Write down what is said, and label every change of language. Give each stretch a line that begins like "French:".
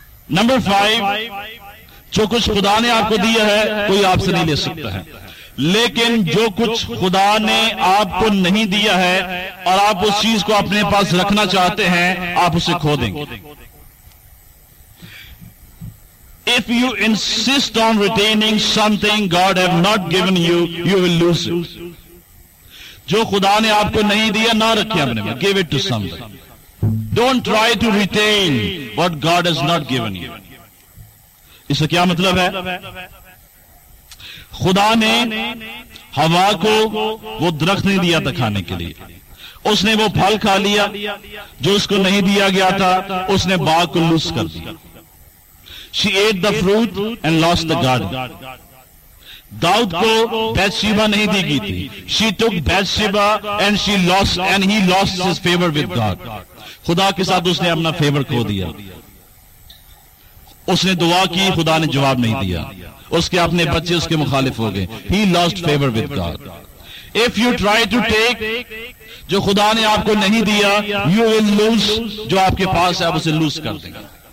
Hindi: 5, जो कुछ खुदा ने आपको दिया है कोई आपसे नहीं ले सकता है। लेकिन जो कुछ खुदा ने आपको नहीं दिया है और आप उस चीज को अपने पास रखना चाहते हैं, आप उसे खो देंगे।
English: If you insist on retaining something God have not given you, you will lose it.
Hindi: जो खुदा ने आपको नहीं दिया ना रखे अपने में,
English: give it to somebody. Don't try to retain what God has not given you.
Hindi: इसका क्या मतलब है? खुदा ने हवा को वो दरख्त नहीं दिया था खाने के लिए, उसने वो फल खा लिया जो उसको नहीं दिया गया था, उसने बाग को लूज कर दिया।
English: She ate the fruit and lost the garden.
Hindi: Dawood को बैतशीबा नहीं दी गई थी,
English: she took Bathsheba and she lost and he lost his favor with God.
Hindi: खुदा के साथ उसने अपना फेवर खो दिया। उसने दुआ की, खुदा ने जवाब नहीं दिया, उसके अपने बच्चे उसके मुखालिफ हो गए,
English: he lost favor with God. If you try to take
Hindi: जो खुदा ने आपको नहीं दिया,
English: you will lose
Hindi: जो आपके पास है, आप उसे लूज कर देंगे।